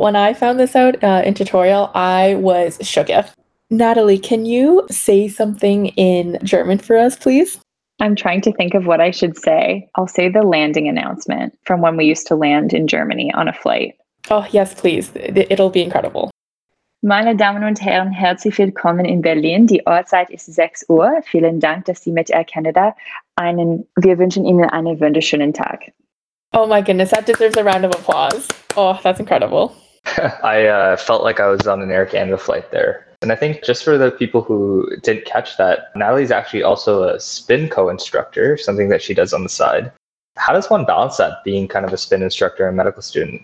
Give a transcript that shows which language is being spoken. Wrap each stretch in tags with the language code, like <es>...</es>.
<en>When I found this out in tutorial, I was shooketh. Natalie, can you say something in German for us, please? I'm trying to think of what I should say. I'll say the landing announcement from when we used to land in Germany on a flight. Oh, yes, please. It'll be incredible.</en> <de>Meine Damen und Herren, herzlich willkommen in Berlin. Die Uhrzeit ist 6 Uhr. Vielen Dank, dass Sie mit Air Canada einen. Wir wünschen Ihnen einen wunderschönen Tag.</de> <en>Oh my goodness, that deserves a round of applause. Oh, that's incredible. I felt like I was on an Air Canada flight there. And I think just for the people who didn't catch that, Natalie's actually also a spin co-instructor, something that she does on the side. How does one balance that, being kind of a spin instructor and medical student?</en>